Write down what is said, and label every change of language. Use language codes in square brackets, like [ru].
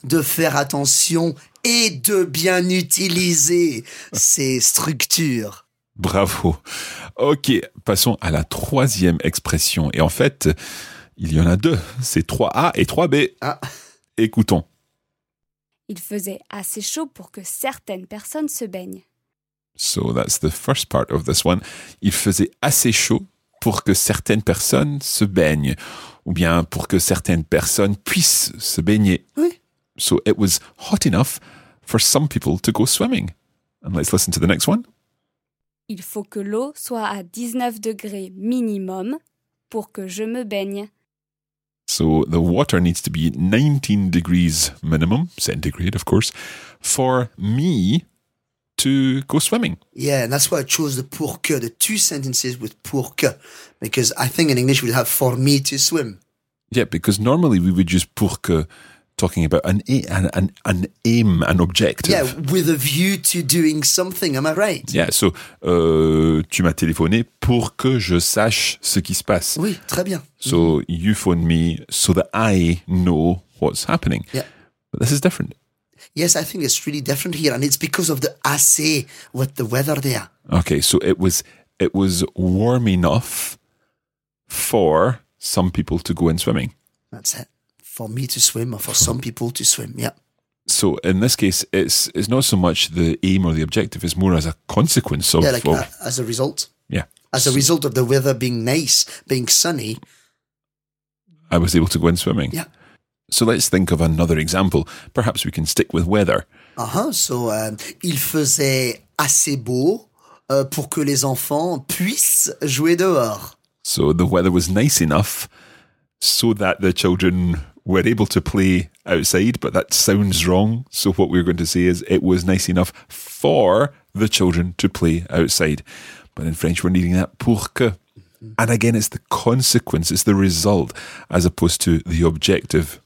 [fr] De faire attention et de bien utiliser ces structures. Bravo. Ok, passons à la troisième expression, et en fait... Il y en a deux, c'est 3A et 3B. Ah. Écoutons. Il faisait assez chaud pour que certaines personnes se baignent. [en] So that's the first part of this one. [fr] Il faisait assez chaud pour que certaines personnes se baignent. Ou bien pour que certaines personnes puissent se baigner. Oui. [en] So it was hot enough for some people to go swimming. And let's listen to the next one. [fr] Il faut que l'eau soit à 19 degrés minimum pour que je me baigne. [en] So the water needs to be 19 degrees minimum, centigrade, of course, for me to go swimming. Yeah, and that's why I chose the pour que, the two sentences with pour que, because I think in English we'd have for me to swim. Yeah, because normally we would use pour que talking about an aim, an objective. Yeah, with a view to doing something, am I right? Yeah, so [fr] tu m'as téléphoné pour que je sache ce qui se passe. Oui, très bien. [en] So you phoned me so that I know what's happening. Yeah. But this is different. Yes, I think it's really different here, and it's because of the assez with the weather there. Okay, so it was warm enough for some people to go in swimming. That's it. For me to swim or for some people to swim, yeah. So in this case, it's not so much the aim or the objective, it's more as a consequence of... Yeah, like as a result. Yeah. As a result of the weather being nice, being sunny. I was able to go in swimming. Yeah. So let's think of another example. Perhaps we can stick with weather. Uh-huh. So [fr] il faisait assez beau pour que les enfants puissent jouer dehors. [en] So the weather was nice enough... So that the children were able to play outside, but that sounds wrong. So what we're going to say is it was nice enough for the children to play outside. But in French, we're needing that pour que. And again, it's the consequence, it's the result, as opposed to the objective.